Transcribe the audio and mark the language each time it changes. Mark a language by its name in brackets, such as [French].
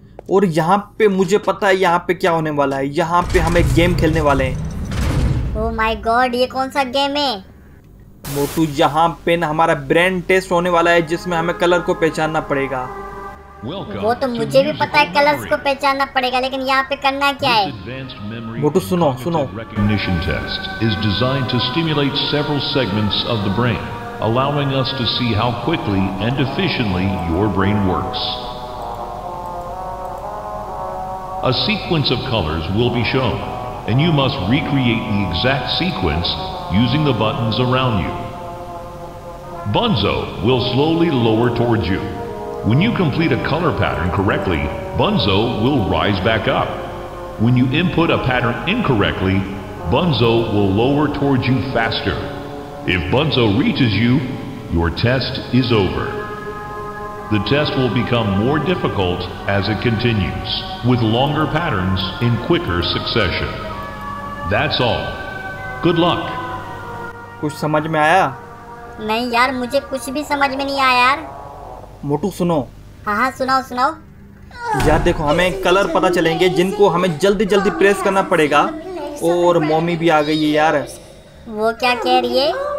[Hindi] और यहाँ पे मुझे पता है यहाँ पे क्या होने वाला है, यहाँ पे हम एक गेम खेलने वाले हैं। [English] oh my God, [Hindi] ये कौन सा गेम है मोटू? यहाँ पे ना हमारा ब्रेन टेस्ट होने वाला है जिसमें हमें कलर को पहचानना पड़ेगा। वो तो मुझे भी पता है, कलर्स को पहचानना पड़ेगा, लेकिन यहाँ पे करना क्या है? मोटू सुनो सुनो। [English] Recognition test is designed to stimulate several segments of the brain, allowing us to see how quickly and efficiently your brain works. A sequence of colors will be shown, and you must recreate the exact sequence using the buttons around you. Bunzo will slowly lower towards you. When you complete a color pattern correctly, Bunzo will rise back up. When you input a pattern incorrectly, Bunzo will lower towards you faster. If Bunzo reaches you, your test is over. The test will become more difficult as it continues, with longer patterns in quicker succession. That's all. Good luck. [Hindi] कुछ समझ में आया? नहीं यार, मुझे कुछ भी समझ में नहीं आया यार। मोटू सुनो। हाँ सुनाओ सुनाओ। यार देखो, हमें कलर पता चलेंगे जिनको हमें जल्दी जल्दी प्रेस करना पड़ेगा। और मम्मी भी आ गई है यार। वो क्या कह रही है?